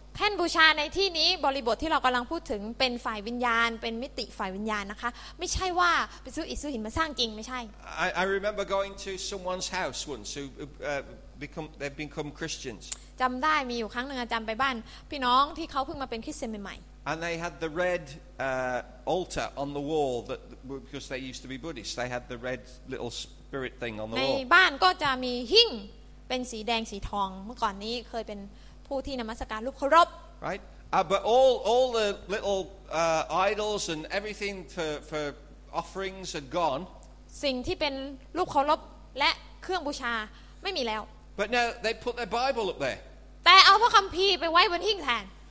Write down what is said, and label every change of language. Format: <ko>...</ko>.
<th>แท่นบูชาในที่นี้บริบทที่เรากำลังพูดถึงเป็นฝ่ายวิญญาณเป็นมิติฝ่ายวิญญาณนะคะไม่ใช่ว่าไปซื้ออิฐซื้อหินมาสร้างจริงไม่ใช่</th> <en>I remember going to someone's house once who they've become Christians.</en> <th>จำได้มีอยู่ครั้งนึงอาจารย์ไปบ้านพี่น้องที่เขาเพิ่งมาเป็นคริสเตียนใหม่</th> <en>ๆ And they had the redaltar on the wall that because they used to be Buddhist they had the red little spirit thing on the wall</en> <th>ในบ้านก็จะมีหิ้งเป็นสีแดงสีทองเมื่อก่อนนี้เคยเป็นผู้ที่นมัสการรูปเคารพ</th> <en>right but all the little idols and everything for offerings are gone</en> <th>สิ่งที่เป็นรูปเคารพและเครื่องบูชาไม่มีแล้ว</th> <en>but now they put their bible up there</en> <th>แต่เอาพระคัมภีร์ไปไว้บนหิ้งแทน</th>